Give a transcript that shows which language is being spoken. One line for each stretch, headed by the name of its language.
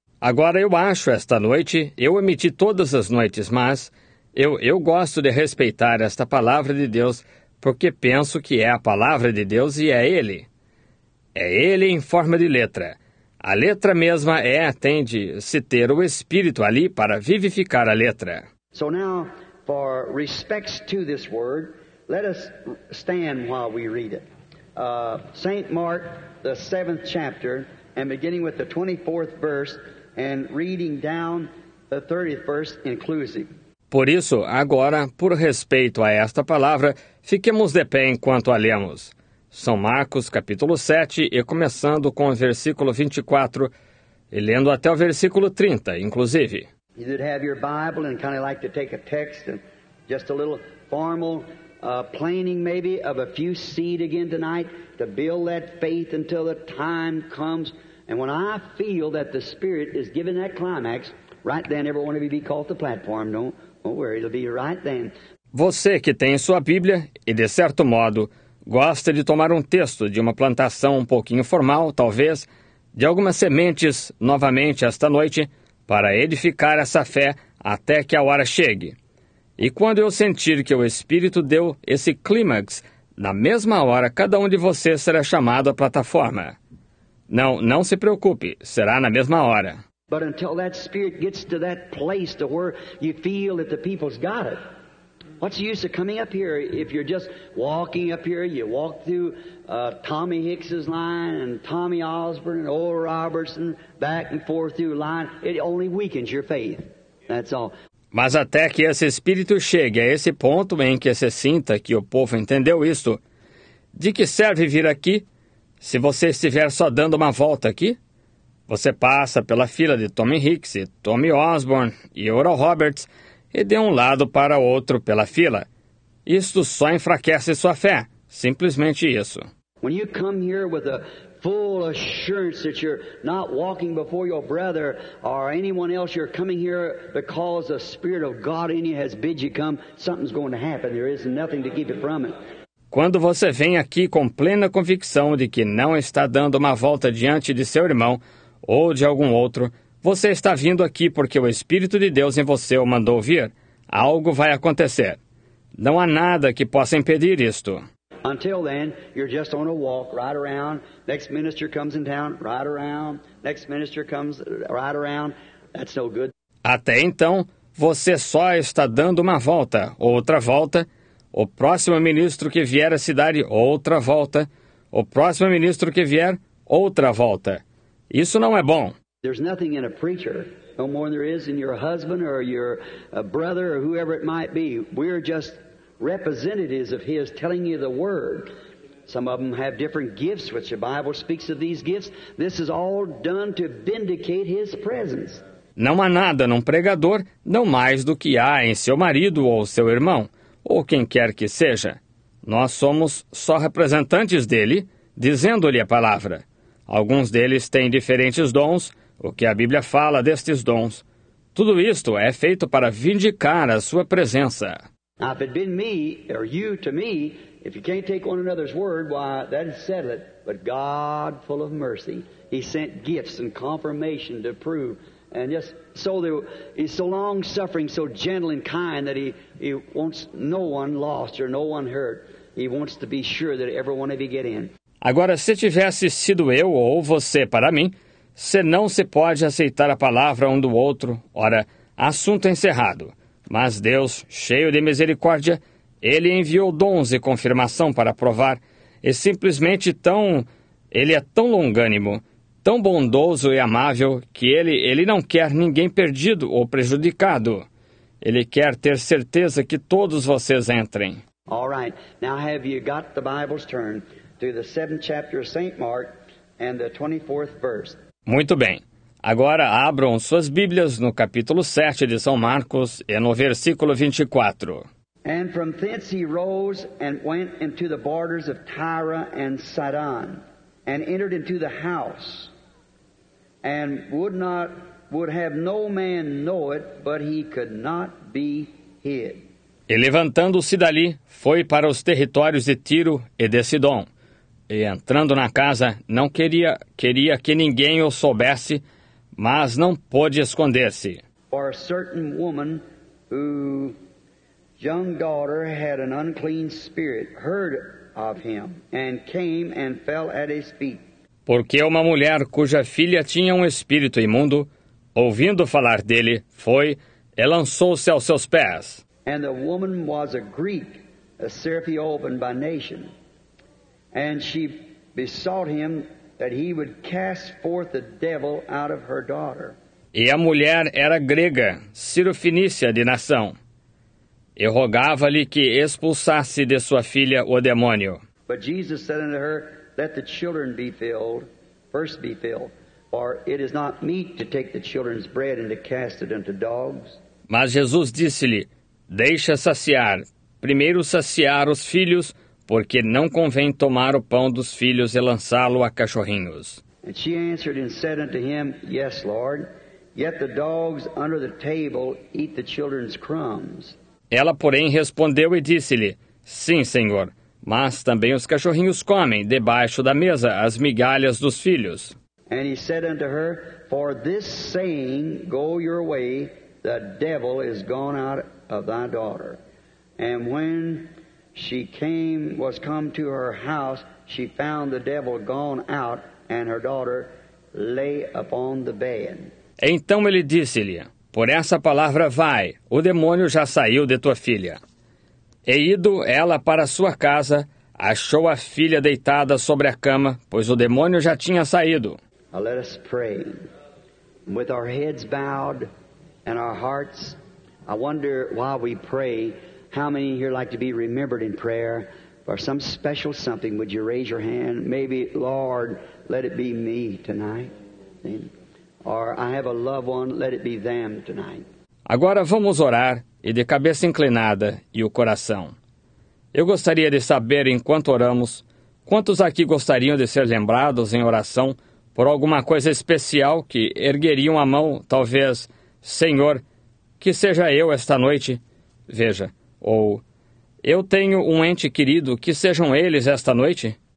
Portuguese: Agora eu acho esta noite, eu emiti todas as noites, mas eu gosto de respeitar esta palavra de Deus porque penso que é a palavra de Deus e é Ele. É Ele em forma de letra. A letra mesma é, tem de se ter o Espírito ali para vivificar a letra.
English: So now, for respects to this word, let us stand while we read it. St. Mark, the 7th chapter, and beginning with the 24th verse, and reading down the 30th verse inclusive.
Portuguese: Por isso, agora, por respeito a esta palavra, fiquemos de pé enquanto a lemos. São Marcos, capítulo 7, e começando com o versículo 24, e lendo até o versículo 30, inclusive.
English: You would have your Bible and kind of like to take a text and just a little formal planning maybe of a few seed again tonight to build that faith until the time comes. And when I feel that the Spirit is giving that climax, right then every one of you be called to platform. Don't worry, it'll be right then.
Portuguese: Você que tem sua Bíblia, e de certo modo, gosta de tomar um texto de uma plantação um pouquinho formal, talvez, de algumas sementes, novamente esta noite, para edificar essa fé até que a hora chegue. E quando eu sentir que o Espírito deu esse clímax, na mesma hora cada um de vocês será chamado à plataforma. Não se preocupe, será na mesma hora.
English: But until that Spirit gets to that place to where you feel that the people's got it. What's the use of coming up here if you're just walking up here? You walk through Tommy Hicks's line and Tommy Osborne and Oral Robertson back and forth through line. It only weakens your faith. That's all.
Portuguese: Mas até que esse Espírito chegue a esse ponto em que se sinta que o povo entendeu isto, de que serve vir aqui se você estiver só dando uma volta aqui? Você passa pela fila de Tommy Hicks e Tommy Osborne e Oral Roberts e de um lado para outro pela fila. Isto só enfraquece sua fé. Simplesmente isso.
English: When you come here with a full assurance that you're not walking before your brother or anyone else, you're coming here because the Spirit of God in you has bid you come, something's going to happen. There is nothing to keep it from it.
Portuguese: Quando você vem aqui com plena convicção de que não está dando uma volta diante de seu irmão ou de algum outro, você está vindo aqui porque o Espírito de Deus em você o mandou vir. Algo vai acontecer. Não há nada que possa impedir isto.
English: Until then, you're just on a walk right around. Next minister comes in town, right around. Next minister comes right around. That's no good.
Portuguese: Até então, você só está dando uma volta, outra volta. O próximo ministro que vier à cidade, outra volta. O próximo ministro que vier, outra volta. Isso não é bom.
English: There's nothing in a preacher, no more than there is in your husband or your brother or whoever it might be. We're just representatives of His telling you the Word. Some of them have different gifts, which the Bible speaks of these gifts. This is all done to vindicate His presence.
Portuguese: Não há nada num pregador, não mais do que há em seu marido ou seu irmão, ou quem quer que seja. Nós somos só representantes dele, dizendo-lhe a palavra. Alguns deles têm diferentes dons, o que a Bíblia fala destes dons. Tudo isto é feito para vindicar a sua presença.
English: If it been me or you to me, if you can't take one another's word, why, that is settled. But God, full of mercy, He sent gifts and confirmation to prove. And just so there, He's so long-suffering, so gentle and kind that he wants no one lost or no one hurt. He wants to be sure that every one of you get in.
Portuguese: Agora, se tivesse sido eu ou você para mim, senão se pode aceitar a palavra um do outro. Ora, assunto encerrado. Mas Deus, cheio de misericórdia, Ele enviou dons e confirmação para provar. E simplesmente tão... Ele é tão longânimo, tão bondoso e amável, que ele não quer ninguém perdido ou prejudicado. Ele quer ter certeza que todos vocês entrem.
English: All right. Now have you got the Bible's turn to the 7th chapter of St. Mark and the 24th verse?
Portuguese: Muito bem. Agora abram suas Bíblias no capítulo 7 de São Marcos e no versículo 24.
English: And from thence he rose and went into the borders of Tyre and Sidon, and entered into the house, and would have no man know it, but he could not be hid.
Portuguese: E levantando-se dali, foi para os territórios de Tiro e de Sidon. E entrando na casa, não queria que ninguém o soubesse, mas não pôde esconder-se.
English: For a certain woman, whose young daughter had an unclean spirit, heard of him, and came and fell at his feet.
Portuguese: Porque uma mulher cuja filha tinha um espírito imundo, ouvindo falar dele, foi e lançou-se aos seus pés.
English: And the woman was a Greek, a Syrophoenician by nation. And she besought him that he would cast forth the devil out of her daughter.
Portuguese: E a mulher era grega, Sirofinícia de nação. E rogava-lhe que expulsasse de sua filha o demônio.
English: But Jesus said unto her, let the children be filled, first be filled. For it is not meet to take the children's bread and to cast it unto dogs.
Portuguese: Mas Jesus disse-lhe, deixa saciar, primeiro saciar os filhos, porque não convém tomar o pão dos filhos e lançá-lo a cachorrinhos.
English: And she answered and said unto him, yes, Lord, yet the dogs under the table eat the children's crumbs.
Portuguese: Ela, porém, respondeu e disse-lhe, sim, Senhor, mas também os cachorrinhos comem, debaixo da mesa, as migalhas dos filhos.
English: And he said unto her, for this saying, go your way, the devil is gone out of thy daughter. And when she came, was come to her house, she found the devil gone out, and her daughter lay upon the bed.
Portuguese: Então ele disse-lhe, por essa palavra vai, o demônio já saiu de tua filha. E ido ela para sua casa, achou a filha deitada sobre a cama, pois o demônio já tinha saído.
English: Now let us pray. With our heads bowed and our hearts, I wonder while we pray, how many here like to be remembered in prayer for some special something? Would you raise your hand? Maybe, Lord, let it be me tonight. Or I have a loved one, let it be them tonight.
Portuguese: Agora vamos orar e de cabeça inclinada e o coração. Eu gostaria de saber, enquanto oramos, quantos aqui gostariam de ser lembrados em oração por alguma coisa especial que ergueriam a mão, talvez, Senhor, que seja eu esta noite, veja, ou eu tenho um ente querido, que sejam eles esta noite.